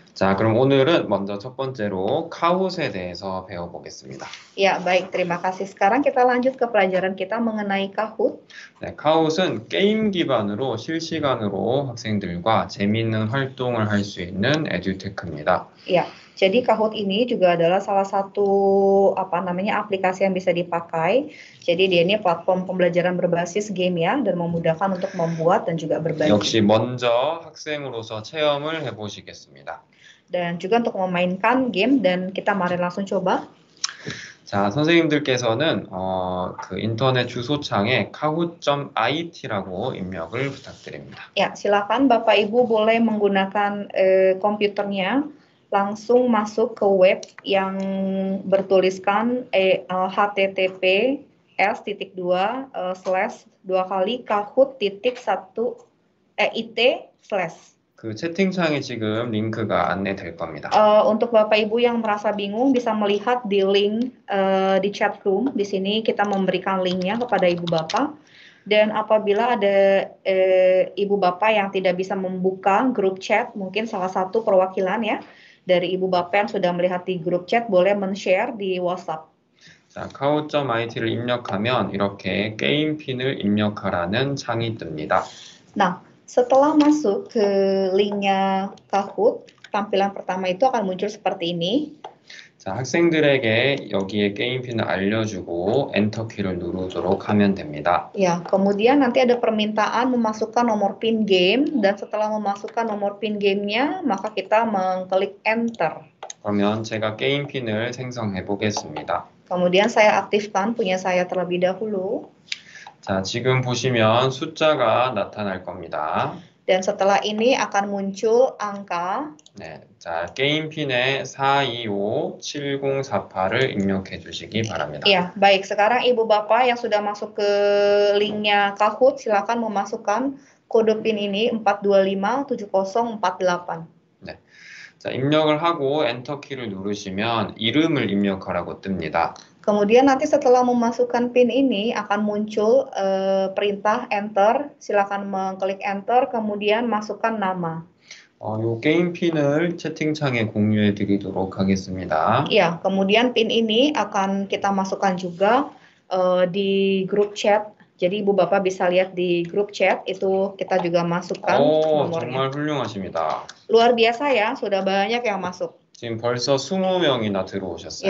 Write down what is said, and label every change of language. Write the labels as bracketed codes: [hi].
[ko] 자, 그럼 오늘은 먼저 첫 번째로 카훗에 대해서 배워보겠습니다. [id] Ya, baik. Terima kasih. Sekarang kita lanjut ke pelajaran kita mengenai Kahoot. [ko] 네, Kahoot은 게임 기반으로 실시간으로 학생들과 재미있는 활동을 할 수 있는 EduTech입니다. [id] Ya, jadi Kahoot ini juga adalah salah satu apa namanya aplikasi yang bisa dipakai. Jadi dia ini platform pembelajaran berbasis game ya, dan memudahkan untuk membuat dan juga berbagi. [ko] 역시 먼저 학생으로서 체험을 해보시겠습니다. [id] Dan juga untuk memainkan game, dan kita mari langsung coba. [ko] 자, 선생님들께서는 그 인터넷 주소창에 kahoot.it라고 입력을 부탁드립니다. [id] Ya, silakan Bapak Ibu boleh menggunakan komputernya langsung masuk ke web yang bertuliskan https://kahoot.it/. [ko] 그 채팅창에 지금 링크가 안내될 겁니다. [id] Untuk Bapak Ibu yang merasa bingung bisa melihat di link di chat room. Di sini kita memberikan linknya kepada Ibu Bapak. Dan apabila ada Ibu Bapak yang tidak bisa membuka grup chat, mungkin salah satu perwakilan ya dari Ibu Bapak yang sudah melihat di grup chat boleh men-share di WhatsApp. [ko] 자, kahoot.it를 입력하면 이렇게 게임 핀을 입력하라는 창이 뜹니다. [id] Nah, setelah masuk ke linknya Kahoot, tampilan pertama itu akan muncul seperti ini. [ko] 자, 학생들에게 여기에 게임핀을 알려주고 엔터키를 누르도록 하면 됩니다. [id] Ya, kemudian nanti ada permintaan memasukkan nomor pin game dan setelah memasukkan nomor pin game-nya, maka kita mengklik enter. [ko] 그러면 제가 게임핀을 생성해 보겠습니다. [id] Kemudian saya aktifkan punya saya terlebih dahulu. [ko] 자, 지금 보시면 숫자가 나타날 겁니다. [id] Dan setelah ini akan muncul angka. [ko] 네, 자 게임 핀에 4257048을 입력해 주시기 바랍니다. [id] Ya, baik. Sekarang ibu bapak yang sudah masuk ke linknya Kahoot, silakan memasukkan kode pin ini 4257048. [ko] 네, 자 입력을 하고 엔터 키를 누르시면 이름을 입력하라고 뜹니다. [id] Kemudian nanti setelah memasukkan PIN ini akan muncul perintah enter. Silakan mengklik enter kemudian masukkan nama. [ko] 요 게임 PIN을 채팅창에 공유해 드리도록 하겠습니다. [id] Iya, kemudian PIN ini akan kita masukkan juga di grup chat. Jadi Ibu Bapak bisa lihat di grup chat itu kita juga masukkan nomornya. [ko] 정말 훌륭하십니다. [id] Luar biasa ya, sudah banyak yang masuk. [ko] 지금 벌써 20명이나 들어오셨어요.